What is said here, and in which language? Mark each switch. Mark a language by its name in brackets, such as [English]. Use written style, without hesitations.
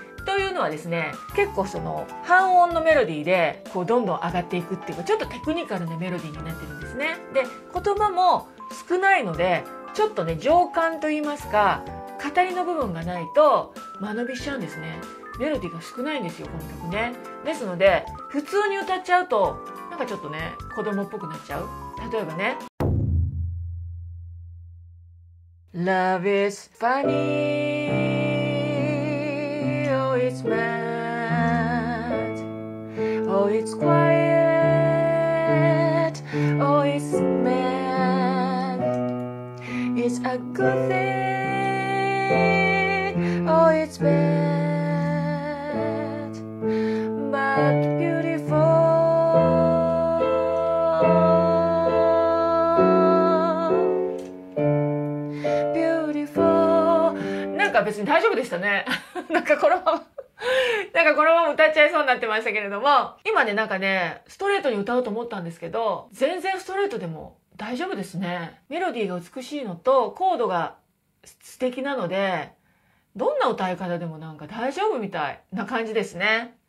[Japanese] というのはですね、結構その半音のメロディーでこうどんどん上がっていくっていうか、ちょっとテクニカルなメロディーになってるんですね。で、言葉も少ないので、ちょっとね、情感と言いますか、語りの部分がないと間延びしちゃうんですね。メロディーが少ないんですよ、この曲ね。ですので、普通に歌っちゃうとなんかちょっとね、子供っぽくなっちゃう。 [English] 例えばね、 Love is funny, Oh it's mad, Oh it's quiet, Oh it's mad, It's a good thingOh, it's bad, but beautiful, beautiful. [Japanese] なんか別に大丈夫でしたね。なんかこのまま歌っちゃいそうになってましたけれども、今ね、なんかね、ストレートに歌おうと思ったんですけど、全然ストレートでも大丈夫ですね。メロディーが美しいのと、コードが素敵なので、どんな歌い方でもなんか大丈夫みたいな感じですね。